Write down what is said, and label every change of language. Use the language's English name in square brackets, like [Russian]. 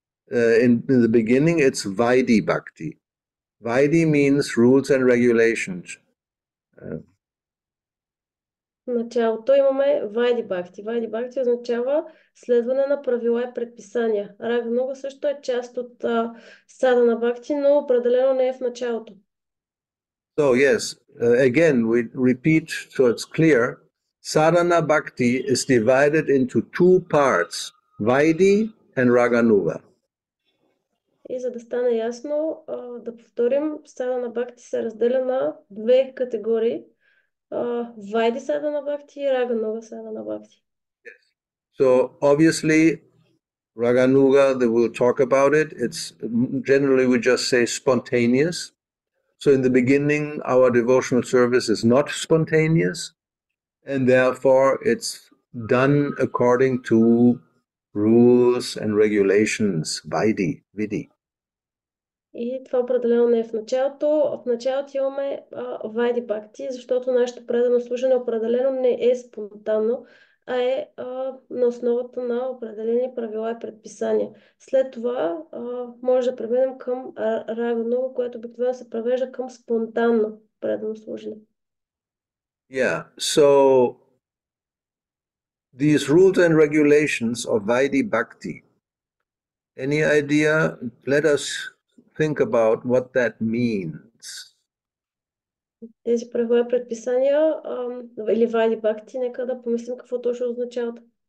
[English] In the beginning, it's Vaidhi Bhakti. Vaidhi means rules and regulations. [Bulgarian] Началото имаме Vaidhi Bhakti. Vaidhi Bhakti означава следване на правила и предписания. Ragānuga също е част от Sadhana Bhakti, но определено не е в началото. [English] So yes, again we repeat so it's clear. Sadhana Bhakti is divided into two parts, Vaidhi and Ragānuga. [Bulgarian] И за да стане ясно, да повторим, Sadhana Bhakti се разделя на две категории. Vaidhi Sadhana Bhakti и Ragānuga Sadhana Bhakti. [English] Yes. So obviously Ragānuga, they will talk about it. It's generally we just say spontaneous. So in the beginning our devotional service is not spontaneous, and therefore it's done according to rules and regulations, Vaidhi, Vidhi. [Bulgarian] И това определено не е в началото. В началото имаме Vaidhi Bhakti, защото нашето предано служене определено не е спонтанно, а е на основата на определени правила и предписания. След това може да преминем към Ragānuga, което обикновено се превежда към спонтанно предано служене. [English] Yeah, so these rules and regulations of Vaidhi Bhakti. Any idea? Let us think about what that means. [Bulgarian] Тези правила предписания или Vaidhi Bhakti, нека да помислим какво точно означават.